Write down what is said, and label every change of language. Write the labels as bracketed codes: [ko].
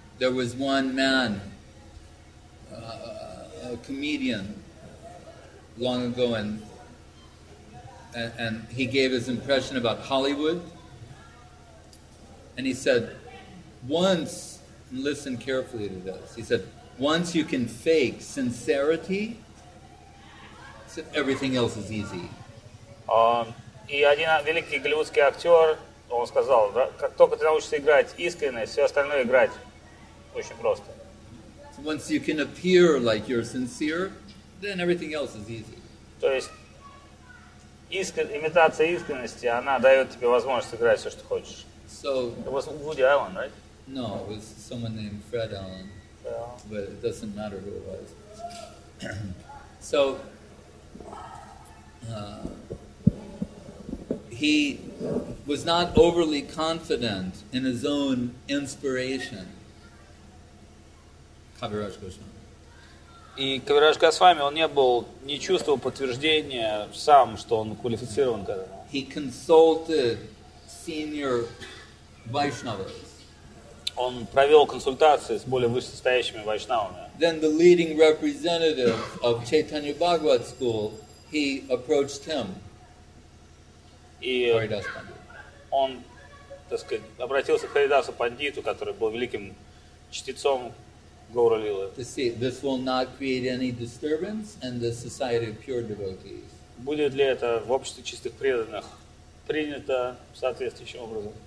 [en] There was one man, a comedian, long ago, and he gave his impression about Hollywood. And he said, once, listen carefully to this, he said, once you can fake sincerity, everything else is easy. [ru] И один великий голливудский актер, он сказал, да, как только ты научишься играть искренне, все остальное играть очень просто. [en] So once you can appear like you're sincere, then everything else is easy. [ru] То есть имитация искренности, она дает тебе возможность играть все, что хочешь. [en] So it was Woody Allen, right? No, it was someone named Fred Allen. But it doesn't matter who it was. So he was not overly confident in his own inspiration. Kaviraj Goswami. [ru] И Кавирадж Госвами, он не был, не чувствовал подтверждения сам, что он квалифицирован к этому. [en] He consulted senior Vaishnavas. [ru] Он провел консультации с более высшестоящими вайшнавами. [en] Then the leading representative of Chaitanya Bhagavat school, he approached him. [ru] И Харидас Пандит. Он, так сказать, обратился к Харидасу Пандиту, который был великим чтецом Гоура Лилы. [en] To see, this will not create any disturbance in the society of pure devotees. [ru] Будет ли это в обществе чистых преданных принято соответствующим образом?